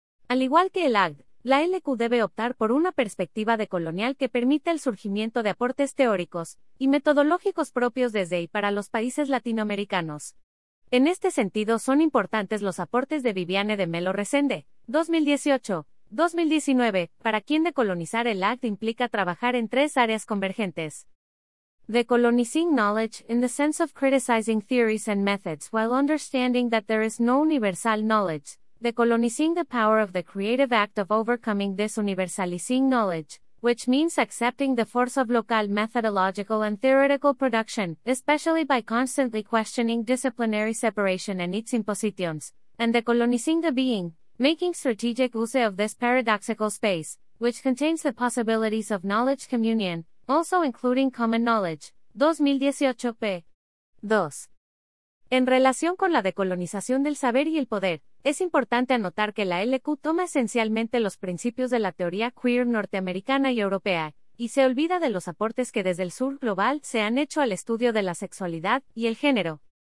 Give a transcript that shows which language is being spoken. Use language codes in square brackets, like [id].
[es] Al igual que el ACT, la LQ debe optar por una perspectiva decolonial que permita el surgimiento de aportes teóricos y metodológicos propios desde y para los países latinoamericanos. En este sentido son importantes los aportes de Viviane de Melo Resende, 2018-2019, para quien decolonizar el ACT implica trabajar en tres áreas convergentes. [en] Decolonizing knowledge in the sense of criticizing theories and methods while understanding that there is no universal knowledge. Decolonizing the power of the creative act of overcoming this universalizing knowledge, which means accepting the force of local methodological and theoretical production, especially by constantly questioning disciplinary separation and its impositions, and decolonizing the being, making strategic use of this paradoxical space, which contains the possibilities of knowledge communion, also including common knowledge, 2018 p. 2. [es] En relación con la decolonización del saber y el poder, es importante anotar que la LQ toma esencialmente los principios de la teoría queer norteamericana y europea, y se olvida de los aportes que desde el sur global se han hecho al estudio de la sexualidad y el género.